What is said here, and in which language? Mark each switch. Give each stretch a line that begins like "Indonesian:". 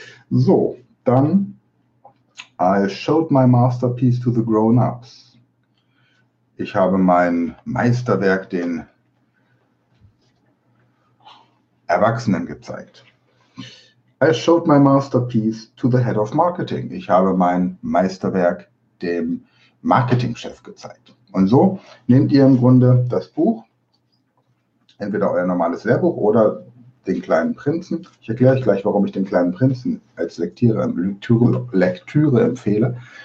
English: So, dann, I showed my masterpiece to the grown-ups.
German: Ich habe mein Meisterwerk den Erwachsenen gezeigt.
English: I showed my masterpiece to the head of marketing.
German: Ich habe mein Meisterwerk dem Marketingchef gezeigt. Und so nehmt ihr im Grunde das Buch, entweder euer normales Lehrbuch oder den kleinen Prinzen. Ich erkläre euch gleich, warum ich den kleinen Prinzen als Lektüre empfehle.